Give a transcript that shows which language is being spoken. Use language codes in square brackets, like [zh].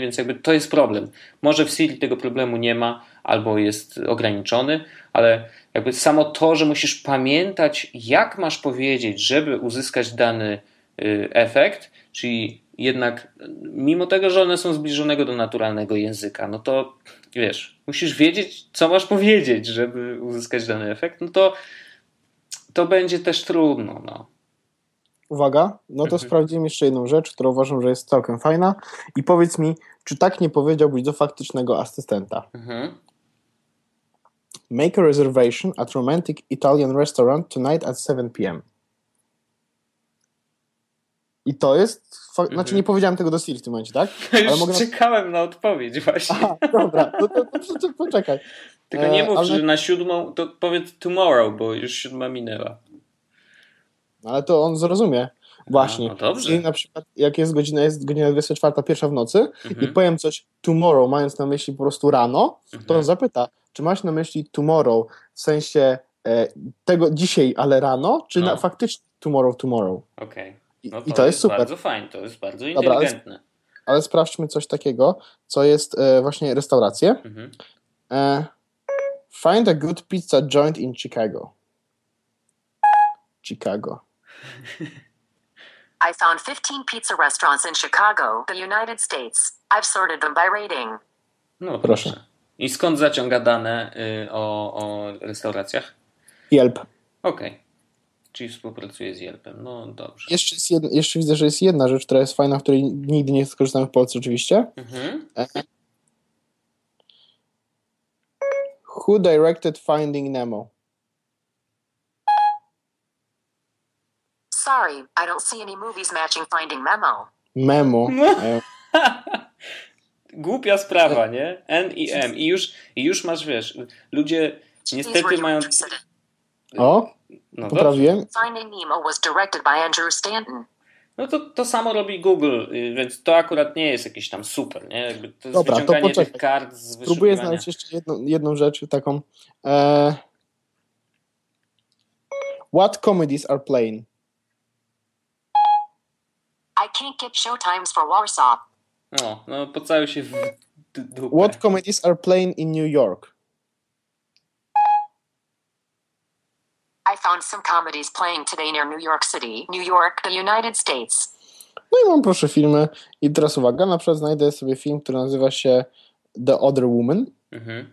[pl] Więc jakby to jest problem. Może w Siri tego problemu nie ma albo jest ograniczony, ale jakby samo to, że musisz pamiętać, jak masz powiedzieć, żeby uzyskać dany efekt, czyli jednak mimo tego, że one są zbliżonego do naturalnego języka, no to wiesz, musisz wiedzieć, co masz powiedzieć, żeby uzyskać dany efekt, no to to będzie też trudno, no. Uwaga, no to sprawdzimy jeszcze jedną rzecz, którą uważam, że jest całkiem fajna i powiedz mi, czy tak nie powiedziałbyś do faktycznego asystenta. [en] Make a reservation at romantic Italian restaurant tonight at 7 p.m. [pl] I to jest... Znaczy nie powiedziałem tego do Siri w tym momencie, tak? Ale już czekałem na odpowiedź właśnie. Dobra, poczekaj. Tylko nie mów, że na siódmą, to powiedz tomorrow, bo już siódma minęła. Ale to on zrozumie. Właśnie. No dobrze. I na przykład jak jest godzina 24, pierwsza w nocy i powiem coś tomorrow, mając na myśli po prostu rano, to on zapyta, czy masz na myśli tomorrow, w sensie tego dzisiaj, ale rano, czy faktycznie tomorrow. Okej. Okay. No i to jest super. Bardzo fajne, to jest bardzo inteligentne. Dobra, ale sprawdźmy coś takiego, co jest właśnie restaurację. [en] Find a good pizza joint in Chicago. Chicago. I found 15 pizza restaurants in Chicago, the United States. I've sorted them by rating. [pl] No proszę. I skąd zaciąga dane o restauracjach? Yelp. Okej. Okay. Czyli współpracuje z Yelpem, no dobrze. Jeszcze widzę, że jest jedna rzecz, która jest fajna, której nigdy nie skorzystałem w Polsce oczywiście. [en] Who directed Finding Nemo? Sorry, I don't see any movies matching Finding Memo. Memo. [pl] głupia sprawa, nie? N i M. I już, masz, wiesz, ludzie niestety mają... O, no poprawiłem. [en] Finding Nemo was directed by Andrew Stanton. [pl] No to, samo robi Google, więc to akurat nie jest jakiś tam super, nie? Jakby to jest, dobra, wyciąganie to tych kart z wyszukiwania. Próbuję znaleźć jeszcze jedną rzecz taką. [en] What comedies are playing? I can't get showtimes for Warsaw. [pl] No, pocałuj się w dupę. [en] What comedies are playing in New York? I found some comedies playing today near New York City, New York, the United States. [pl] No i mam, proszę, filmy. I teraz uwaga, na przykład znajdę sobie film, który nazywa się The Other Woman. Mm-hmm.